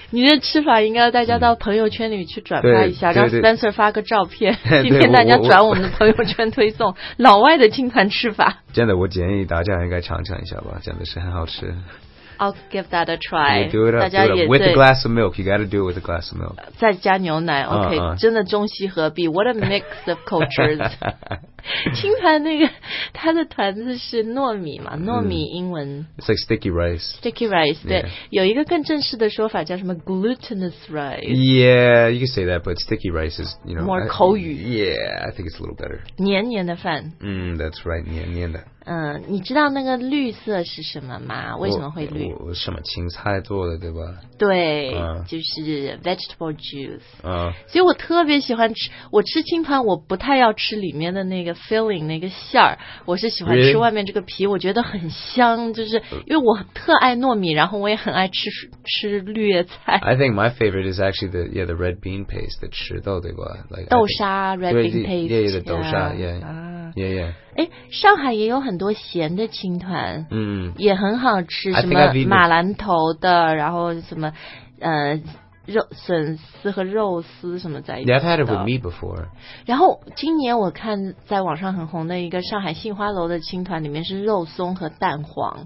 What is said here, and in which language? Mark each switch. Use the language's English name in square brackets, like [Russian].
[Chinese] 你的吃法应该大家到朋友圈里去转发一下让 Spencer 发个照片今天大家转我们的朋友圈推送老外的青团吃法真的我建议大家应该尝尝一下吧真的是很好吃 [English] I'll give that a try do it, [Chinese] 大家也 [English] do it with a glass of milk you gotta do it with a glass of milk [Chinese] 再加牛奶 OK 真的中西合璧 [English] What a mix of cultures [Chinese] 青团那个他的团子是糯米嘛，糯米英文、 [English] It's like sticky rice. [Chinese] Sticky rice, 对、 [English] yeah. [Chinese] 有一个更正式的说法叫什么 glutinous rice. [English] Yeah, you can say that, but sticky rice is, you know, more 口语 Yeah, I think it's a little better. [Chinese] 黏黏的饭 [English] That's right, [Chinese] 黏黏的你知道那个绿色是什么吗？为什么会绿？什么青菜做的，对吧？对，就是 [English] vegetable juice。 [Chinese] 所以我特别喜欢吃，我吃青团，我不太要吃里面的那个 filling 那个馅儿，我是喜欢吃外面这个皮，我觉得很香，就是因为我特爱糯米，然后我也很爱吃绿叶菜。 [English] I think my favorite is actually the red bean paste, [Chinese] 的赤豆，对吧？ [English] Like, [Chinese] 豆沙 red bean paste，对的豆沙 ， [English] yeah。 [Chinese] 哎，上海也有很多咸的青团，也很好吃，什么马兰头的，然后什么，肉笋丝和肉丝什么在一起的。 [English] Yeah, I've had it with meat before. [Chinese] 然后今年我看在网上很红的一个上海杏花楼的青团，里面是肉松和蛋黄。